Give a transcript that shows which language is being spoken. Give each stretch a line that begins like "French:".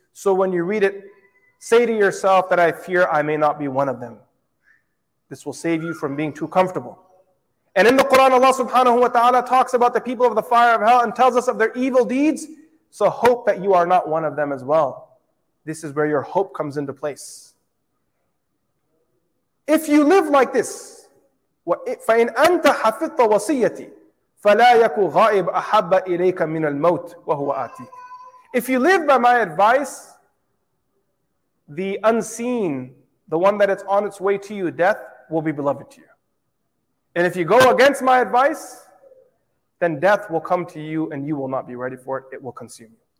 English: So when you read it, say to yourself that I fear I may not be one of them. This will save you from being too comfortable. And in the Quran, Allah subhanahu wa ta'ala talks about the people of the fire of hell and tells us of their evil deeds. So hope that you are not one of them as well. This is where your hope comes into place. If you live like this,
Arabic: فَإِنْ أَنْتَ حَفِظْتَ وَصِيَّتِي فَلَا يَكُ غَائِبْ أَحَبَّ إِلَيْكَ مِنَ الْمَوْتِ وَهُوَ آتِيكَ.
English: If you live by my advice, the unseen, the one that is on its way to you, death, will be beloved to you. And if you go against my advice, then death will come to you and you will not be ready for it. It will consume you.